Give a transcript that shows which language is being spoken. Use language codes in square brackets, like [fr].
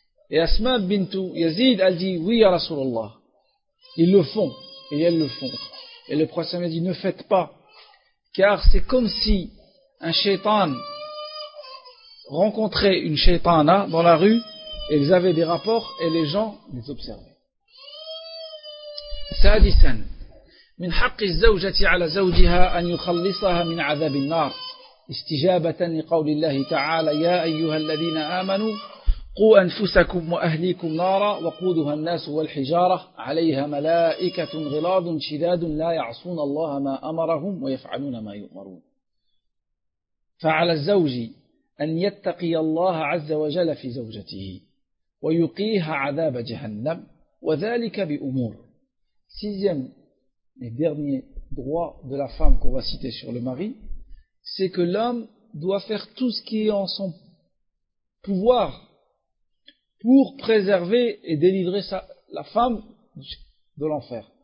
[fr] Et Asma bint Yazid a dit, oui ya Rasulallah. Ils le font, et elles le font. Et le prophète a dit, ne faites pas, car c'est comme si un shaitan rencontrait une shaitana dans la rue, et ils avaient des rapports, et les gens les observaient. [ar] Sadisan, min haqqi zawjati ala zawjiha an yukhallisaha min azab an-nar, istijabatan liqawlillahi ta'ala, ya ayyuha alladhina amanu, قوا أنفسكم وأهليكم نارا وقودها الناس والحجارة عليها ملائكة غلاظ شداد لا يعصون الله ما أمرهم ويفعلون ما يؤمرون فعلى الزوج أن يتقي الله عز وجل في زوجته ويقيها عذاب جهنم وذلك بأمور. [fr] Sixième et dernier droit de la femme qu'on va citer sur le mari, c'est que l'homme doit faire tout ce qui est en son pouvoir pour préserver et délivrer la femme de l'enfer.